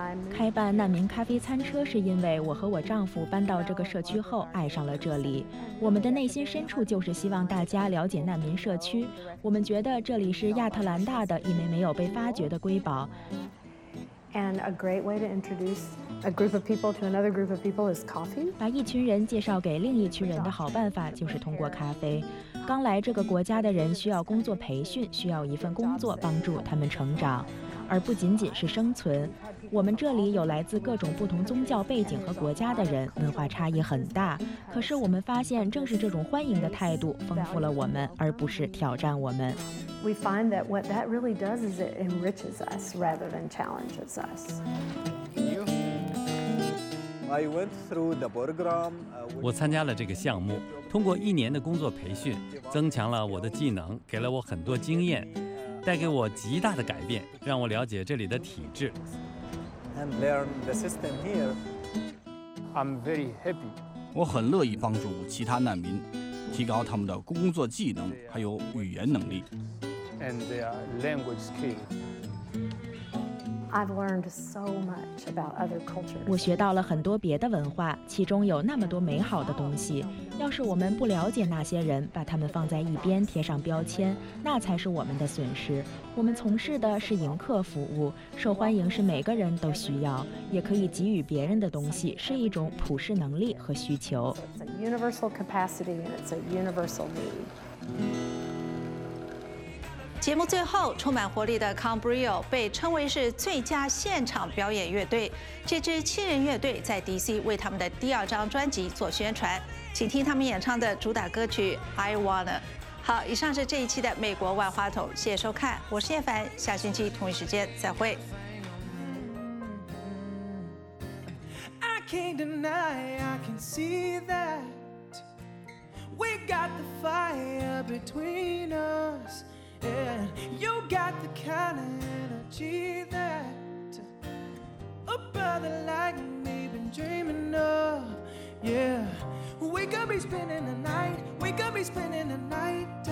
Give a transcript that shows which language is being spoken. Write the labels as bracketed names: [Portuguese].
[Chinese] 开办难民咖啡餐车是因为我和我丈夫搬到这个社区后爱上了这里。我们的内心深处就是希望大家了解难民社区。我们觉得这里是亚特兰大的一枚没有被发掘的瑰宝。 [English] And a great way to introduce a group of people to another group of people is coffee. [Chinese] 把一群人介绍给另一群人的好办法就是通过咖啡。刚来这个国家的人需要工作培训，需要一份工作帮助他们成长，而不仅仅是生存。我们这里有来自各种不同宗教背景和国家的人，文化差异很大。可是我们发现，正是这种欢迎的态度丰富了我们，而不是挑战我们。 [English] We find that what that really does is it enriches us rather than challenges us. I went through the program. [Chinese] 我参加了这个项目，通过一年的工作培训，增强了我的技能，给了我很多经验，带给我极大的改变，让我了解这里的体制。 [English] And learn the system here. I'm very happy. [Chinese] 我很乐意帮助其他难民，提高他们的工作技能，还有语言能力。 [English] And their language skills. I've learned so much about other cultures. [Chinese] 我学到了很多别的文化，其中有那么多美好的东西。要是我们不了解那些人，把他们放在一边，贴上标签，那才是我们的损失。我们从事的是迎客服务，受欢迎是每个人都需要，也可以给予别人的东西，是一种普世能力和需求。 [English] It's a universal capacity and it's a universal need. [Chinese] 节目最后，充满活力的 Con Brio 被称为是最佳现场表演乐队。这支七人乐队在 DC 为他们的第二张专辑做宣传，请听他们演唱的主打歌曲 I Wanna。好，以上是这一期的美国万花筒，谢谢收看，我是叶凡，下星期同一时间再会。 [English] I can't deny, I can see that We got the fire between us And you got the kind of energy that A brother like me been dreaming of Yeah We could be spending the night We could be spending the night